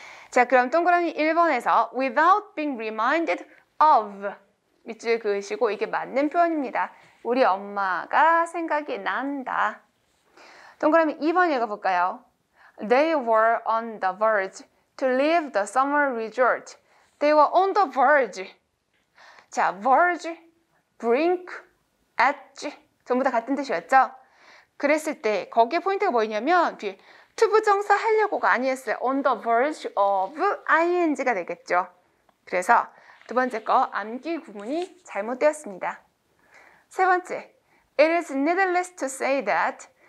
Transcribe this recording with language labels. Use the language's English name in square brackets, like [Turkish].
[Korean] 자 그럼 동그라미 1번에서 [English] without being reminded of [Korean] 밑줄 그으시고 이게 맞는 표현입니다. 우리 엄마가 생각이 난다. 동그라미 2번 읽어볼까요? [English] They were on the verge to leave the summer resort. They were on the verge. [Korean] 자, [English] verge, brink, edge [Korean] 전부 다 같은 뜻이었죠? 그랬을 때 거기에 포인트가 뭐였냐면 뒤에 to 부정사 하려고가 아니었어요. [English] On the verge of ing가 [Korean] 되겠죠. 그래서 두 번째 거 암기 구문이 잘못되었습니다. 세 번째, [English] it is needless to say that.